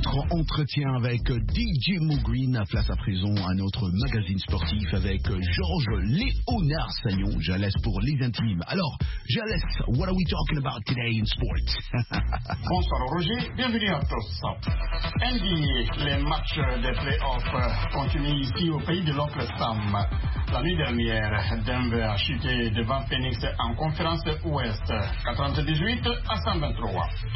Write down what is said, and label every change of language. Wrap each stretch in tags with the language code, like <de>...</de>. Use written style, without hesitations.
<fr>Entretien avec DJ Mo Green, place à présent à notre magazine sportif avec Georges Léonard Sagnon. Je laisse pour les intimes. Alors, je laisse,</fr> <en>what are we talking about today in sports?</en> <fr>Bonsoir Roger, bienvenue à tous. NBA, les matchs des playoffs continuent ici au pays de l'Oncle Sam. La nuit dernière, Denver a chuté devant Phoenix en conférence ouest, 98 à 123.</fr>